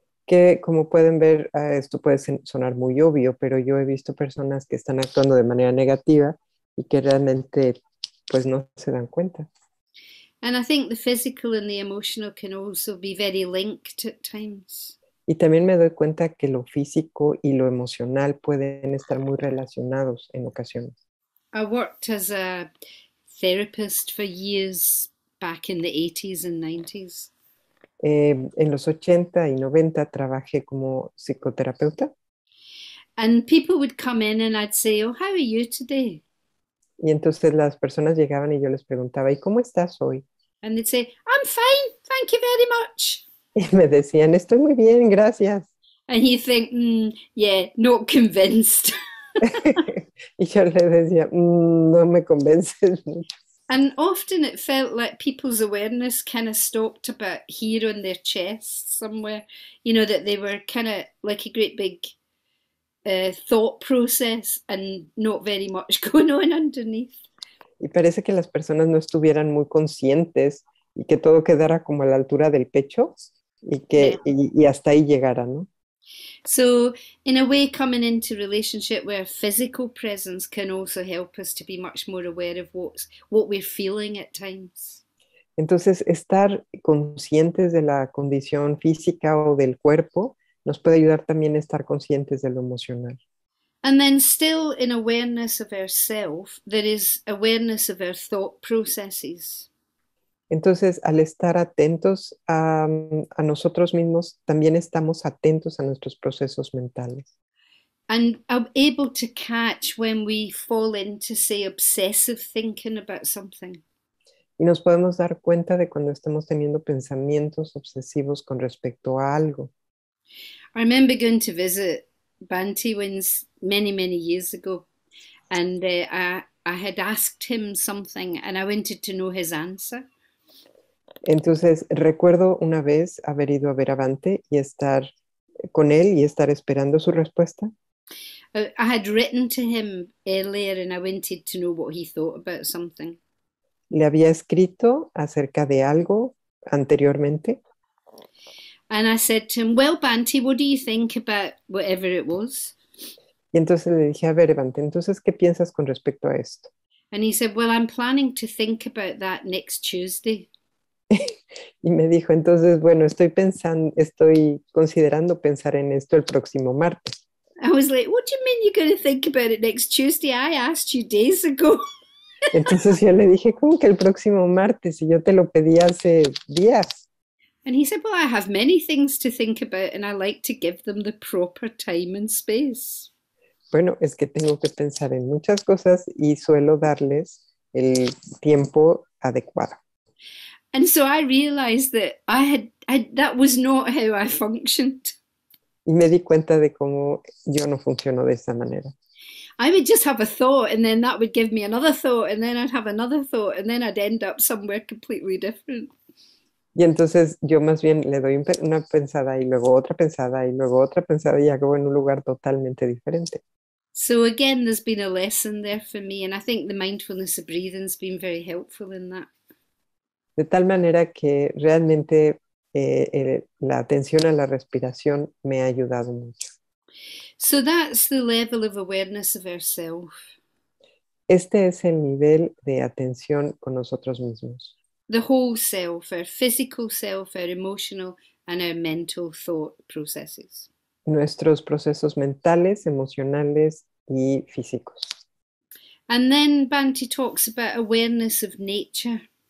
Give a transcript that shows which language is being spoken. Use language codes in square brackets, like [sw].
[es] Que como pueden ver, esto puede sonar muy obvio, pero yo he visto personas que están actuando de manera negativa y que realmente pues no se dan cuenta. [en] And I think the physical and the emotional can also be very linked at times. [es] Y también me doy cuenta que lo físico y lo emocional pueden estar muy relacionados en ocasiones. [en] I worked as a therapist for years back in the 80s and 90s. [es] En los 80 y 90 trabajé como psicoterapeuta. [en] And people would come in and I'd say, "Oh, how are you today?" [es] Y entonces las personas llegaban y yo les preguntaba, ¿y cómo estás hoy? [en] And they'd say, "I'm fine, thank you very much." [es] Y me decían, estoy muy bien, gracias. [en] And you think, yeah, not convinced. [es] Y yo les decía, no me convences mucho. [en] And often it felt like people's awareness kind of stopped about here on their chest somewhere, you know, that they were kind of like a great big thought process and not very much going on underneath. [es] Y parece que las personas no estuvieran muy conscientes y que todo quedara como a la altura del pecho y [en] Yeah. [es] que y hasta ahí llegara, ¿no? [en] So, in a way, coming into relationship where physical presence can also help us to be much more aware of what we're feeling at times. [es] Entonces, estar conscientes de la condición física o del cuerpo nos puede ayudar también a estar conscientes de lo emocional. [en] And then still in awareness of ourself, there is awareness of our thought processes. [es] Entonces, al estar atentos a nosotros mismos, también estamos atentos a nuestros procesos mentales. [en] And I'm able to catch when we fall into, say, obsessive thinking about something. [es] Y nos podemos dar cuenta de cuando estamos teniendo pensamientos obsesivos con respecto a algo. [en] I remember going to visit Bhante once many, many years ago, and I had asked him something, and I wanted to know his answer. [es] Entonces, recuerdo una vez haber ido a ver a Bhante y estar con él y estar esperando su respuesta. [en] I had written to him earlier and I wanted to know what he thought about something. [es] Le había escrito acerca de algo anteriormente. [en] And I said to him, "Well, Banti, what do you think about whatever it was?" [es] Y entonces le dije, a ver, Evante, entonces, ¿qué piensas con respecto a esto? [en] And he said, "Well, I'm planning to think about that next Tuesday." [es] Y me dijo, entonces, bueno, estoy considerando pensar en esto el próximo martes. [en] I was like, "What do you mean you're going to think about it next Tuesday? I asked you days ago." [es] Entonces yo le dije, ¿cómo que el próximo martes? Y yo te lo pedí hace días. [en] And he said, "Well, I have many things to think about and I like to give them the proper time and space." [es] Bueno, es que tengo que pensar en muchas cosas y suelo darles el tiempo adecuado. [en] And so I realized that that was not how I functioned. [es] Y me di cuenta de cómo yo no funciono de esa manera. [en] I would just have a thought, and then that would give me another thought, and then I'd have another thought, and then I'd end up somewhere completely different. [es] Y entonces yo más bien le doy una pensada y luego otra pensada y luego otra pensada y acabo en un lugar totalmente diferente. [en] So again, there's been a lesson there for me, and I think the mindfulness of breathing's been very helpful in that. [es] De tal manera que realmente la atención a la respiración me ha ayudado mucho. [en] So that's the level of awareness of ourself. [es] Este es el nivel de atención con nosotros mismos. [en] The whole self, our physical self, our emotional and our mental thought processes. [es] Nuestros procesos mentales, emocionales y físicos. [en] And then Bhante talks about awareness of nature.